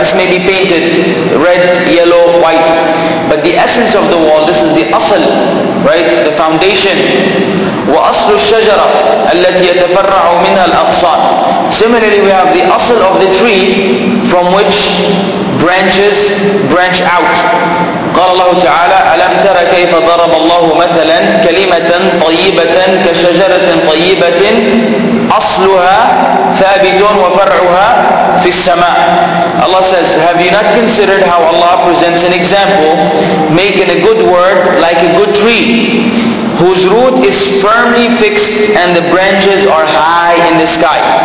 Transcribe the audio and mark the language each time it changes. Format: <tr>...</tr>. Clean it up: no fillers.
<en>This may be painted red, yellow, white, but the essence of the wall, this is the asl, right? The foundation.</en> <ar>وَأَصْلُ الشَّجَرَةِ الَّتِي يَتَفَرَّعُ مِنْهَا الْأَقْصَانِ.</ar> <en>Similarly, we have the asl of the tree from which branches branch out.</en> <ar>قال الله تعالى ألم تر كيف ضرب الله مثلا كلمة طيبة كشجرة طيبة أصلها ثابت وفرعها في السماء.</ar> <en>Allah says, have you not considered how Allah presents an example, making a good word like a good tree whose root is firmly fixed and the branches are high in the sky.</en>